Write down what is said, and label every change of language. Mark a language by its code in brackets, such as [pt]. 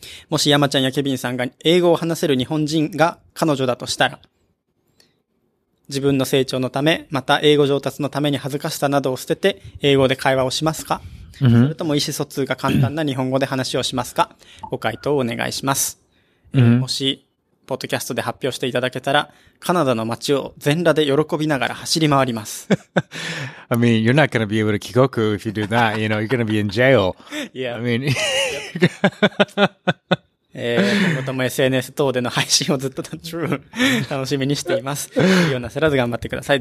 [ja] もし山ちゃんやケビンさんが英語を話せる日本人が彼女だとしたら、自分の成長のため、また英語上達のために恥ずかしさなどを捨てて英語で会話をしますか、うん、それとも意思疎通が簡単な日本語で話をしますか、ご回答をお願いします、うん、もしポッドキャストで発表していただけたら、カナダの街を全裸で喜びながら走り回ります。 [en] I mean, you're not going to be able to 帰国 if you do that. You know, you're going to be in jail. Yeah. I mean, [ja] 今後とも SNS 等での配信をずっと楽しみにしています。いいようなせらず頑張ってください。